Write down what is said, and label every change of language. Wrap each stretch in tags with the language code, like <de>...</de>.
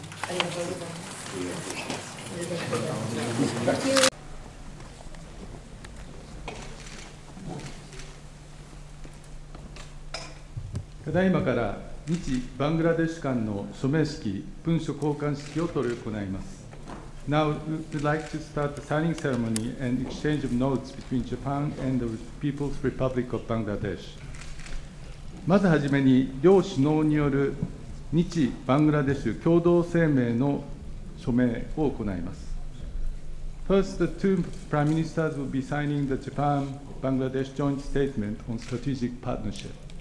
<ja>ありがとうございます。ただいまから日バングラデシュ間の署名式、文書交換式を執り行います。</ja> <en>Now, we'd like to start the signing ceremony and exchange of notes between Japan and the People's Republic of Bangladesh.</en> <ja>まずはじめに、両首脳による日バングラデシュ共同声明の署名を行います。</ja> <en>First, the two prime ministers will be signing the Japan-Bangladesh joint statement on strategic partnership.</en>